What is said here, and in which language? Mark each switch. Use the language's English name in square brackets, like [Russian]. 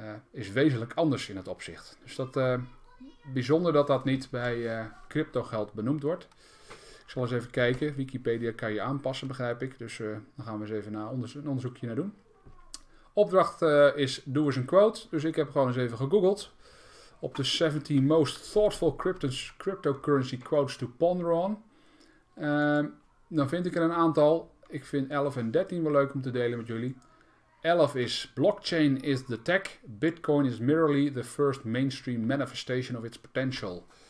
[Dutch] Is wezenlijk anders in het opzicht. Dus dat bijzonder dat dat niet bij cryptogeld benoemd wordt. Ik zal eens even kijken. Wikipedia kan je aanpassen, begrijp ik. Dus daar gaan we eens even een onderzoekje naar doen. Opdracht is doe eens een quote. Dus ik heb gewoon eens even gegoogeld. Op de [English] 17 most thoughtful cryptocurrency quotes to ponder on. [Dutch] Dan vind ik er een aantal. Ik vind 11 en 13 wel leuk om te delen met jullie. [English] 11 is blockchain is the tech. Bitcoin is merely the first mainstream manifestation of its potential.